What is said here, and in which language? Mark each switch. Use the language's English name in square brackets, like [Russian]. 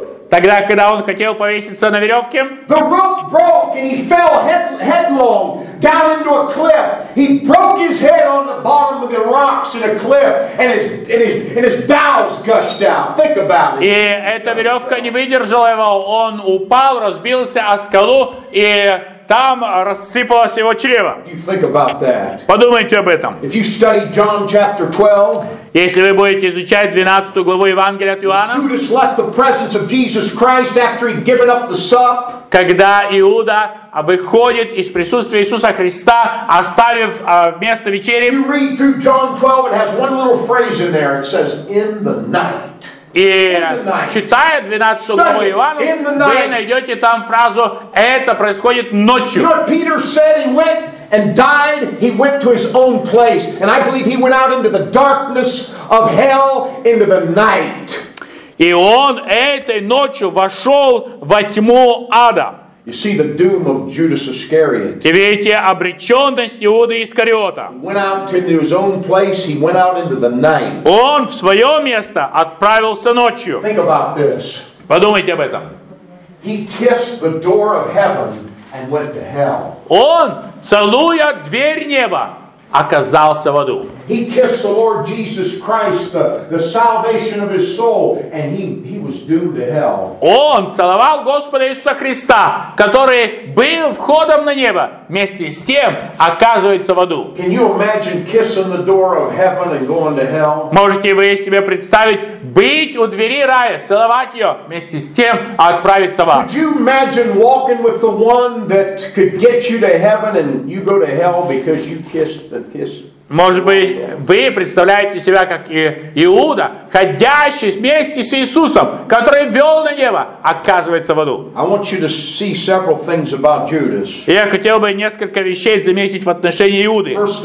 [Russian] Тогда, когда он хотел повеситься на веревке, и эта веревка не выдержала его, он упал, разбился о скалу, и там рассыпалось его чрево. Подумайте об этом. Если вы будете изучать 12 главу Евангелия от Иоанна, [English] Judas left the presence of Jesus Christ after he'd given up the sup. [Russian] Когда Иуда выходит из присутствия Иисуса Христа, оставив место вечери. [English] You read through John 12, it has one little phrase in there. It says, in the night. [Russian] И читая 12 главу Иоанна, вы найдете там фразу «Это происходит ночью». [English] Peter said he went and died, he went to his own place. And I believe he went out into the darkness of hell, into the night. [Russian] И он этой ночью вошел во тьму ада. [English] You see the doom of Judas Iscariot. [Russian] И видите обреченность Иуды Искариота. [English] He went out into his own place. He went out into the night. [Russian] Он в свое место отправился ночью. [English] Think about this. [Russian] Подумайте об этом. [English] He kissed the door of heaven and went to hell. [Russian] Он, целуя дверь неба, оказался в аду. [English] He kissed the Lord Jesus Christ, the salvation of his soul, and he was doomed to hell. [Russian] Он целовал Господа Иисуса Христа, который был входом на небо, вместе с тем оказывается в аду. [English] Can you imagine kissing the door of heaven and going to hell? [Russian] Можете вы себе представить быть у двери рая, целовать ее, вместе с тем отправиться в ад? [English] Could you imagine walking with the one that could get you to heaven and you go to hell because you kissed the kiss? [Russian] Может быть, вы представляете себя как Иуда, ходящий вместе с Иисусом, который вел на небо, оказывается в аду. Я хотел бы несколько вещей заметить в отношении Иуды.